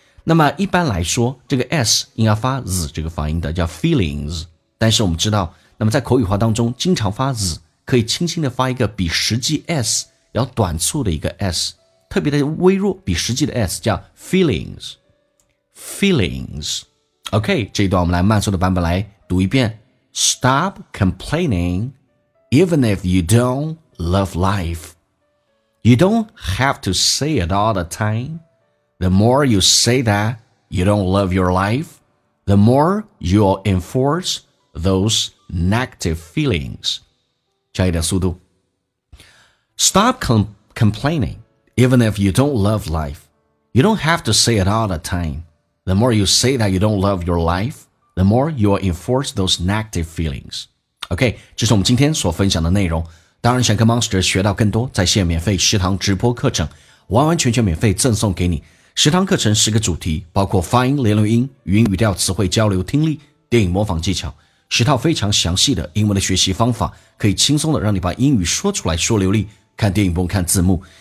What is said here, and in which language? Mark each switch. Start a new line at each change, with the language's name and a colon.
Chinese: 那么一般来说这个 s 应该发 z 这个发音的，叫 feelings， 但是我们知道那么在口语化当中经常发 z， 可以轻轻的发一个比实际 s 要短促的一个 s， 特别的微弱，比实际的 s 叫 feelingsFeelings. OK, 这一段我们来慢速的版本来读一遍。
English: Stop complaining even if you don't love life. You don't have to say it all the time. The more you say that you don't love your life, the more you'll enforce those negative feelings.
Chinese: 加一点速度。
English: Stop complaining even if you don't love life. You don't have to say it all the time. The more you say that you don't love your life, the more you'll enforce those negative feelings. OK,
Chinese: 这是我们今天所分享的内容。当然想跟 Monster 学到更多，在线免费食堂直播课程完完全全免费赠送给你。食堂课程十个主题，包括发音、连读音、语音语调、词汇交流、听力、电影模仿技巧，十套非常详细的英文的学习方法，可以轻松的让你把英语说出来说流利，看电影不用看字幕。